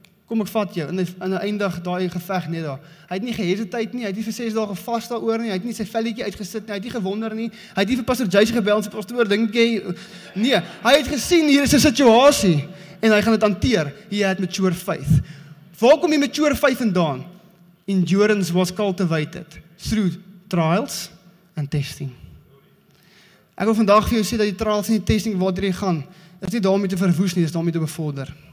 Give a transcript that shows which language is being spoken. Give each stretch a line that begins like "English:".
Afrikaans: Kom ek vat jou, en hy eindig daai geveg net daar. Hy het nie gehesiteit nie, hy het nie vir 6 dae gevas daar oor nie, hy het nie sy velletjie uitgesit nie, hy het nie gewonder nie, hy het nie vir pastor Jason gebel, en sy pastoor, dink jy, nee, hy het gesien, hier is 'n situasie, en hy gaan dit hanteer, hy het mature faith. Waar kom die mature faith vandaan?
English: Endurance was cultivated through trials and testing.
Afrikaans: Ek wil vandag vir jou sê dat die trials en die testing wat hierdie gaan, is nie daarmee te verwoes nie, is daarmee te bevorder.